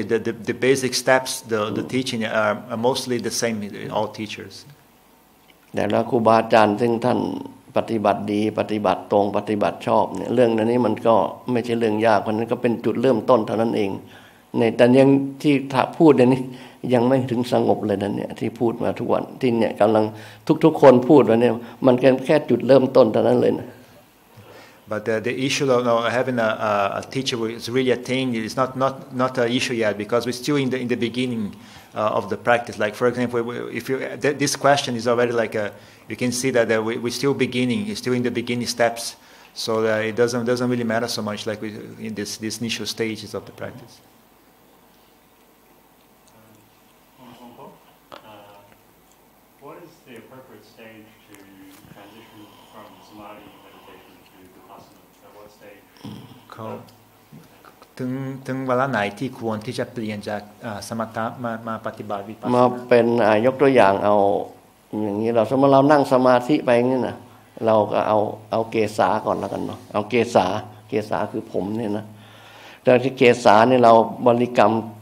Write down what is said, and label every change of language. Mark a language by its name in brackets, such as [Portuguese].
[English] the teaching are mostly the same in all teachers. But the teacher who really teaches. [Thai] ปฏิบัติดีปฏิบัติตรงปฏิบัติชอบเนี่ยเรื่องนั้นนี่มันก็ไม่ใช่เรื่องยากเพราะนั้นก็เป็นจุดเริ่มต้นเท่านั้นเองในแต่ยังที่พูดในนี้ยังไม่ถึงสงบเลยนั่นเนี่ยที่พูดมาทุกวันที่เนี่ยกำลังทุกคนพูดวันนี้มันแค่จุดเริ่มต้นเท่านั้นเลยนะ [English] but the issue of having a teacher who is really attained is not a issue yet because we're still in the beginningof the practice. Like, for example, if you this question is already like a, you can see that we're still beginning, it's still in the beginning steps, so that it doesn't really matter so much, like in this initial stages of the practice. What is the appropriate stage to transition from samadhi meditation to vipassana? At what stage? Cool. [Thai] ถึงเวลาไหนที่ควรที่จะเปลี่ยนจากสมถะมาปฏิบัติวิปัสสนาม าเป็นยกตัวอย่างเอาอย่างนี้เราสมมติเรานั่งสมาธิไปงี้นะเราก็เอาเกศาก่อนแล้วกันเนาะเอาเกศาคือผมเนี่ยนะแต่ที่เกศาเนี่ยเราบริกรรม